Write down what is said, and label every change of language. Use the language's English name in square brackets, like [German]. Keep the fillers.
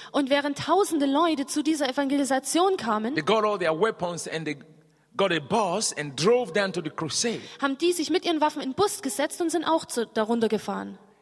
[German] während tausende Leute zu dieser Evangelisation kamen. [English] They got all their weapons and Got a bus and drove down to the crusade. [German] Haben die sich mit ihren Waffen in den Bus gesetzt und sind auch darunter gefahren.